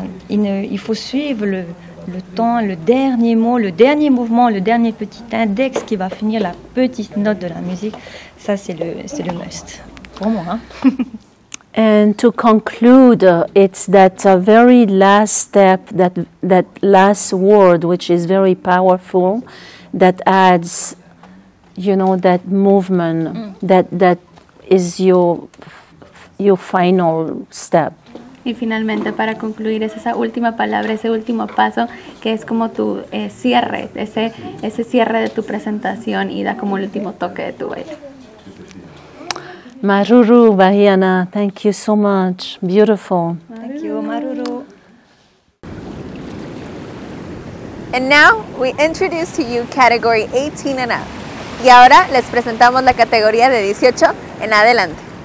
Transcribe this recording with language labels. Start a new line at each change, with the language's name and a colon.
French: Il faut suivre le temps, le dernier mot, le dernier mouvement, le dernier petit index qui va finir la petite note de la musique. Ça, c'est le must pour moi.
English: And to conclude, it's that very last step, that last word, which is very powerful, that adds, you know, that movement, that is your final step.
Spanish: Y finalmente, para concluir, es esa última palabra, ese último paso, que es como tu cierre, ese cierre de tu presentación y da como el último toque de tu baile.
English: Maruru, Bahiana, thank you so much. Beautiful. Thank you, Maruru. And now, we introduce to you category 18 and up.
Spanish: Y ahora, les presentamos la categoría de 18 en adelante.